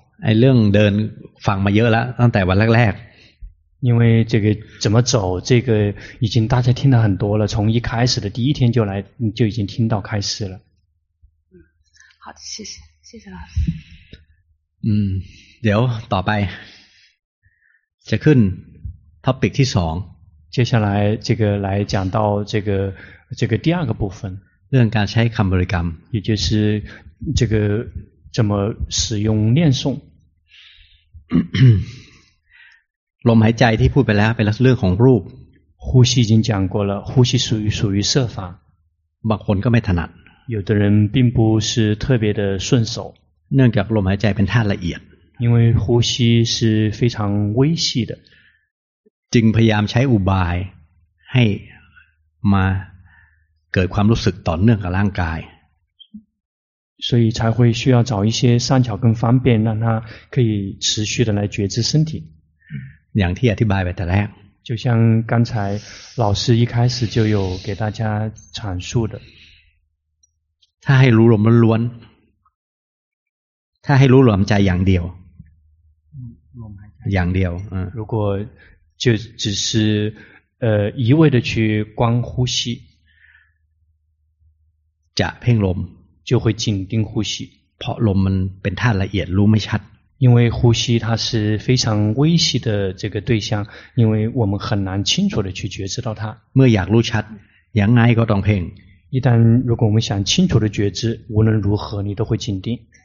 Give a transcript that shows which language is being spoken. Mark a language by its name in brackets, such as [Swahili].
[Thai] 哎เรื่องเดินฟังมาเยอะแล้วตั้งแต่วันแรก [Chinese] ๆ因为这个怎么走这个已经大家听了很多了从一开始的第一天就已经听到开始了好的谢谢老师 [Thai] เดี๋ยวต่อไปจะขึ้นท็อปิกที่สอง [Chinese] 接下来这个来讲到这个第二个部分 [Thai] เรื่องการใช้คำบริกรรม [Chinese] 也就是这个怎么使用念诵 [Thai] ลมหายใจที่พูดไปแล้วเป็นเรื่องของรูป [Chinese] 呼吸已经讲过了呼吸属于色法 [Thai] บางคนก็ไม่ถนัด [Chinese] 有的人并不是特别的顺手 [Thai] เนื่องจากลมหายใจเป็นธาตุละเอียด [Chinese] 因为呼吸是非常微细的 [Thai] จึงพยายามใช้อุบายให้มาเกิดความรู้สึกต่อเนื่องกับร่างกาย [Chinese] 所以才会需要找一些善巧跟方便让它可以持续的来觉知身体 [Thai] อย่างที่อธิบายไปแต่แรก [Chinese] 就像刚才老师一开始就有给大家阐述的 [Thai] ถ้าให้รู้ลมล้วนถ้าให้รู้ลมใจอย่างเดียวอย่างเดียว [Chinese] 如果就只是一味的去观呼吸 [Thai] จะเพ่งลม [Chinese] 就会紧盯呼吸 [Thai] เพราะลมมันเป็นธาตุละเอียดรู้ไม่ชัด [Chinese] 因为呼吸它是非常微细的这个对象因为我们很难清楚的去觉知到它 [Thai] เมื่ออยากรู้ชัดยังไงก็ต้องเพ่ง [Chinese] 一旦如果我们想清楚的觉知无论如何你都会紧盯